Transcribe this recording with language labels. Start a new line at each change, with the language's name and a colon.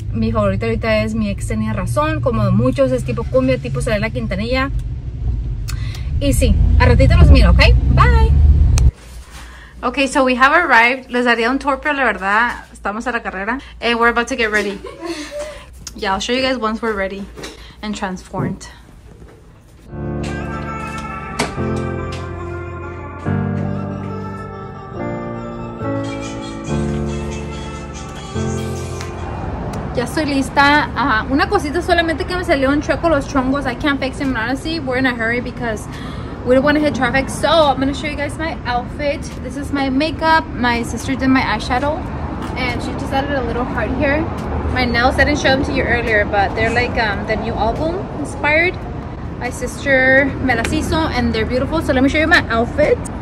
Spanish: Mi favorita ahorita es Mi Ex Tenía Razón, como de muchos es tipo cumbia, tipo sale la Quintanilla. Y sí, a ratito los miro,
English: ¿okay? Bye. Okay, so we have arrived.
Spanish: Les daría un tour, pero la verdad estamos a la carrera.
English: And we're about to get ready. Yeah, I'll show you guys once we're ready and transformed.
Spanish: Ya estoy lista. Una cosita solamente que me salió un chueco los chongos.
English: I can't fix them, honestly. We're in a hurry because we don't want to hit traffic. So I'm going to show you guys my outfit. This is my makeup. My sister did my eyeshadow and she just added a little heart here. My nails, I didn't show them to you earlier, but they're like the new album inspired. My sister
Spanish: me las hizo
English: and they're beautiful. So let me show you my outfit.